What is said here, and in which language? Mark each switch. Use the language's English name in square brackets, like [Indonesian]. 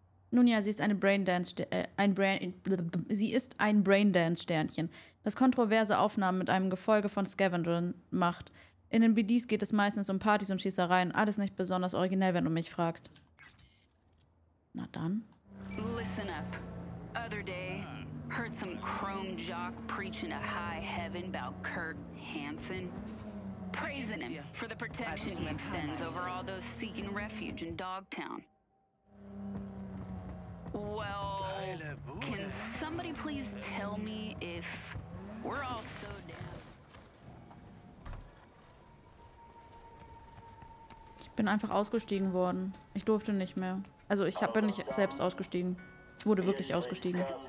[German] Nun ja, sie ist eine Braindance-Sternchen, das kontroverse Aufnahmen mit einem Gefolge von Scavengern macht. In den BDs geht es meistens um Partys und Schießereien. Alles nicht besonders originell, wenn du mich fragst. Na dann. [English] Listen up. Other day, heard some chrome jock preaching to high heaven about Kurt Hansen. Praising him for the protection he extends over all those seeking refuge in Dogtown. Well, can somebody please tell me if we're all so down? [German] Ich bin einfach ausgestiegen worden. Ich durfte nicht mehr. Also ich bin nicht selbst ausgestiegen. Ich wurde wirklich ausgestiegen.